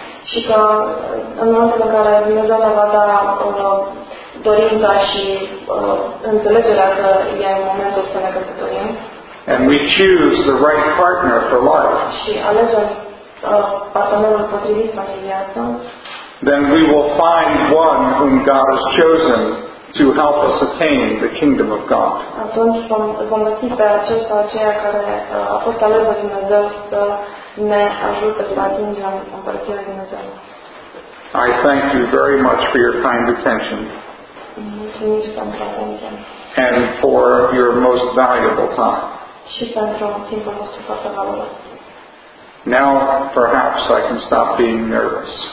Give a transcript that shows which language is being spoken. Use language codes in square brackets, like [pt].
[ro] Și că în momentul în care Dumnezeu ne va da dorința și înțelegerea că e momentul să ne căsătorim. [en] And we choose the right partner for life. [ro] Și alegem partenerul potrivit pentru viață. [en] Then we will find one whom God has chosen to help us attain the kingdom of God. [ro] Atunci vom găsi pe acest sau aceea care a fost ales de Dumnezeu să ne ajută să atingem împărăția Dumnezeu. [en] I thank you very much for your kind attention. [ro] Mulțumesc pentru atenție. [en] And for your most valuable time. [ro] Și pentru timpul vostru foarte valoros. [en] Now perhaps I can stop being nervous.